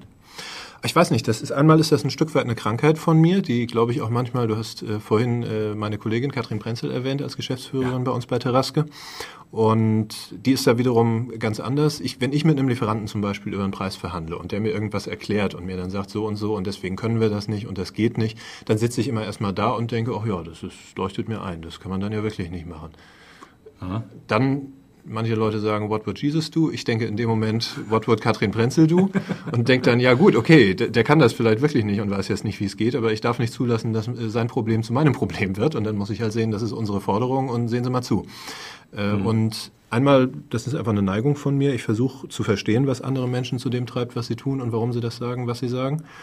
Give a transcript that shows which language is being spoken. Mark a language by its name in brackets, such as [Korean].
[German] Ja. Ich weiß nicht, das ist einmal ist das ein Stück weit eine Krankheit von mir, die, glaube ich, auch manchmal, du hast vorhin meine Kollegin Katrin Prenzel erwähnt als Geschäftsführerin bei uns bei Teraske. Und die ist da wiederum ganz anders. Wenn ich mit einem Lieferanten zum Beispiel über einen Preis verhandle und der mir irgendwas erklärt und mir dann sagt so und so und deswegen können wir das nicht und das geht nicht, dann sitze ich immer erstmal da und denke, ach ja, das leuchtet mir ein, das kann man dann ja wirklich nicht machen. Aha. Dann, manche Leute sagen, [English] what would Jesus do? [German] Ich denke in dem Moment, [English] what would Katrin Prenzel do? [German] Und denke dann, ja gut, okay, der kann das vielleicht wirklich nicht und weiß jetzt nicht, wie es geht, aber ich darf nicht zulassen, dass sein Problem zu meinem Problem wird und dann muss ich halt sehen, das ist unsere Forderung und sehen Sie mal zu. Und einmal, das ist einfach eine Neigung von mir, ich versuche zu verstehen, was andere Menschen zu dem treibt, was sie tun und warum sie das sagen, was sie sagen.